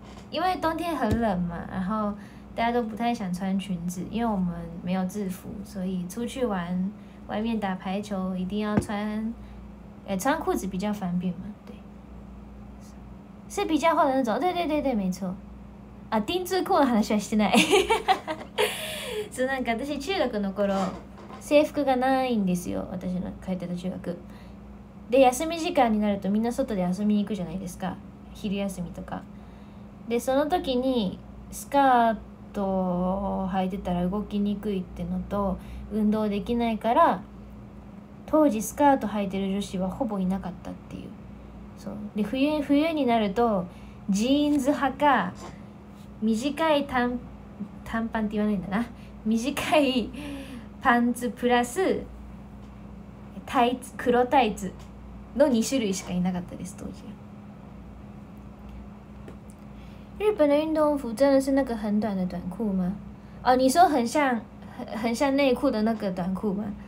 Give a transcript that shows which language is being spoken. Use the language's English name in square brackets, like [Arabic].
[Chinese] 因为冬天很冷嘛，然后大家都不太想穿裙子，因为我们没有制服，所以出去玩外面打排球一定要穿，穿裤子比较方便嘛，对，是比较厚的那种，对对对对，没错，啊，丁字裤的 [Japanese] 話はしてない。そう、なんか私中学の頃制服がないんですよ、私の通ってた中学で。休み時間になるとみんな外で遊びに行くじゃないですか、昼休みとか。でその時にスカートを履いてたら動きにくいってのと運動できないから、当時スカート履いてる女子はほぼいなかったっていう。そうで、冬になるとジーンズ派か短い短パンって言わないんだな、短いパンツプラスタイツ、黒タイツの2種類しかいなかったです、当時は。 [Chinese] 日本的运动服真的是那个很短的短裤吗？哦，你说很像内裤的那个短裤吗？